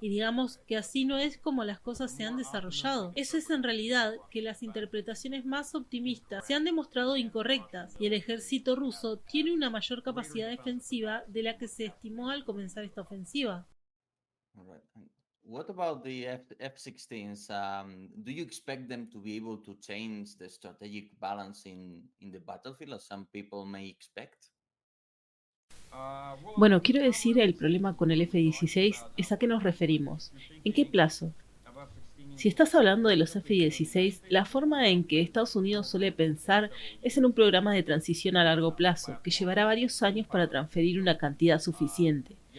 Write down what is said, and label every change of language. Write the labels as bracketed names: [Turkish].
[Spanish] Y digamos que así no es como las cosas se han desarrollado. Eso es en realidad que las interpretaciones más optimistas se han demostrado incorrectas y el ejército ruso tiene una mayor capacidad defensiva de la que se estimó al comenzar esta ofensiva. [English] What about the F-16s? Do you expect them to be able to change the strategic balance in the battlefield, as some people may expect? [Spanish] Bueno, quiero decir, el problema con el F-16 es a qué nos referimos. ¿En qué plazo? Si estás hablando de los F-16, la forma en que Estados Unidos suele pensar es en un programa de transición a largo plazo, que llevará varios años para transferir una cantidad suficiente.